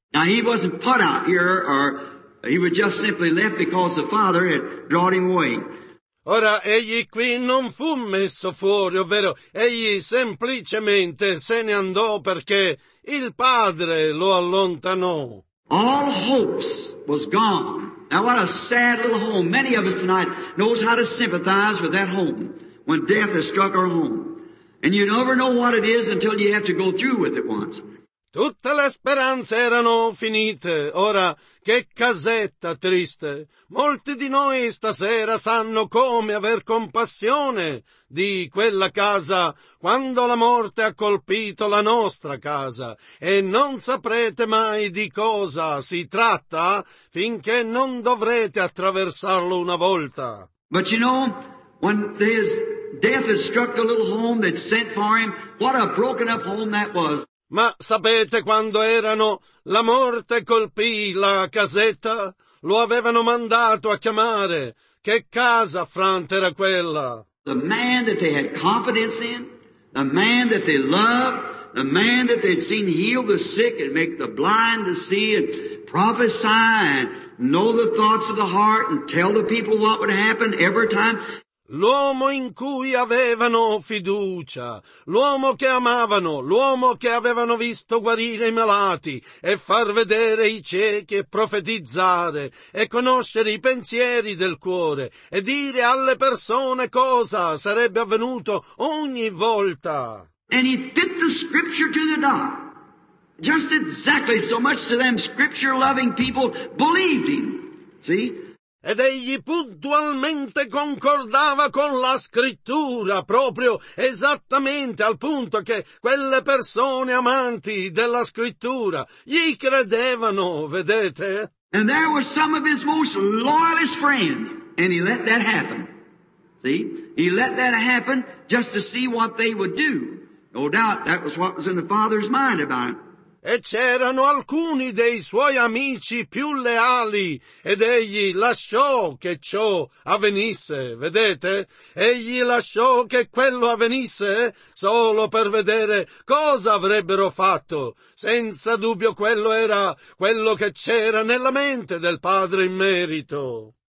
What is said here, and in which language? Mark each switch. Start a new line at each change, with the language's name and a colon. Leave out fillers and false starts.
English: Now he wasn't put out here, or he was just simply left because the Father had drawn him away.
Italian: Ora, egli qui non fu messo fuori, ovvero egli semplicemente se ne andò perché il Padre lo allontanò.
English: All hopes was gone. Now what a sad little home. Many of us tonight knows how to sympathize with that home when death has struck our home. And you never know what it is until you have to go through with it once.
Italian: Tutte le speranze erano finite. Ora, che casetta triste. Molti di noi stasera sanno come aver compassione di quella casa quando la morte ha colpito la nostra casa. E non saprete mai di cosa si tratta finché non dovrete attraversarlo una volta.
English: But you know, when his death has struck the little home that sent for him, what a broken up home that was.
Italian: Ma sapete quando erano? La morte colpì la casetta? Lo avevano mandato a chiamare. Che casa affranta era quella?
English: The man that they had confidence in, the man that they loved, the man that they'd seen heal the sick and make the blind to see and prophesy and know the thoughts of the heart and tell the people what would happen every time.
Italian: L'uomo in cui avevano fiducia, l'uomo che amavano, l'uomo che avevano visto guarire i malati e far vedere i ciechi e profetizzare e conoscere i pensieri del cuore e dire alle persone cosa sarebbe avvenuto ogni volta.
English: And he fit the scripture to the dot. Just exactly so much to them scripture-loving people believed him. See?
Italian: Ed egli puntualmente concordava con la scrittura, proprio esattamente al punto che quelle persone amanti della scrittura gli credevano, vedete?
English: And there were some of his most loyalist friends, and he let that happen. See? He let that happen just to see what they would do. No doubt that was what was in the Father's mind about it.
Italian: E c'erano alcuni dei suoi amici più leali, ed egli lasciò che ciò avvenisse, vedete? Egli lasciò che quello avvenisse solo per vedere cosa avrebbero fatto. Senza dubbio quello era quello che c'era nella mente del Padre in merito.